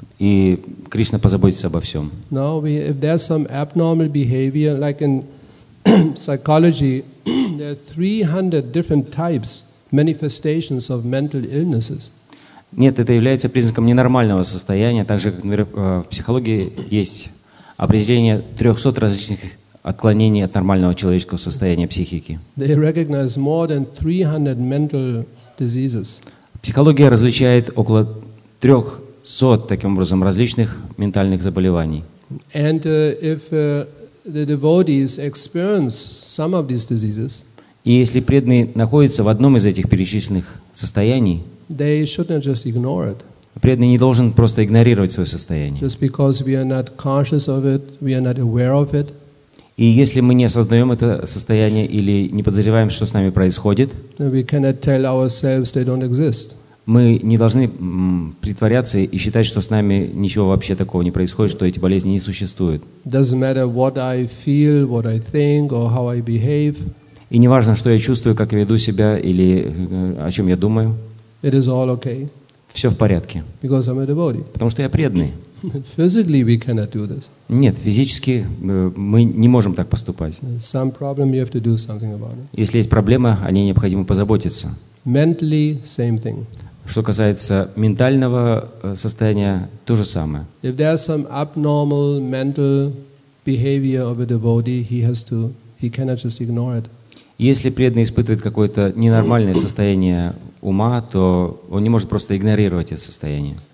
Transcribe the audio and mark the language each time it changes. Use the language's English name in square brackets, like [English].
[Russian] И Кришна позаботится обо всем. [English] No, if there's some abnormal behavior, like in psychology, there are 300 different types, manifestations of mental illnesses. [Russian] Нет, это является признаком ненормального состояния, так же, как, например, в психологии есть определение 300 различных отклонений от нормального человеческого состояния психики. [English] They recognize more than 300 mental diseases. [Russian] Психология различает около 300, таким образом, различных ментальных заболеваний. [English] And if the devotees experience some of these diseases, [Russian] и если преданный находится в одном из этих перечисленных состояний, [English] they should not just ignore it. [Russian] Преданный не должен просто игнорировать свое состояние. [English] Just because we are not conscious of it, we are not aware of it. [Russian] И если мы не осознаем это состояние или не подозреваем, что с нами происходит, [English] we cannot tell ourselves they don't exist. [Russian] Мы не должны притворяться и считать, что с нами ничего вообще такого не происходит, что эти болезни не существуют. [English] Doesn't matter what I feel, what I think, or how I behave. [Russian] И не важно, что я чувствую, как я веду себя или о чем я думаю. [English] It is all okay. [Russian] Все в порядке. [English] Because I'm a devotee. [Russian] Потому что я преданный. [English] Physically we cannot do this. [Russian] Нет, физически мы не можем так поступать. [English] Some problem, you have to do something about it. [Russian] Если есть проблема, о ней необходимо позаботиться. [English] Mentally, same thing. [Russian] Что касается ментального состояния, то же самое. [English] If there's some abnormal mental behavior of a devotee, he cannot just ignore it. [Russian] Если преданный испытывает какое-то ненормальное состояние ума, то он не может просто игнорировать это состояние.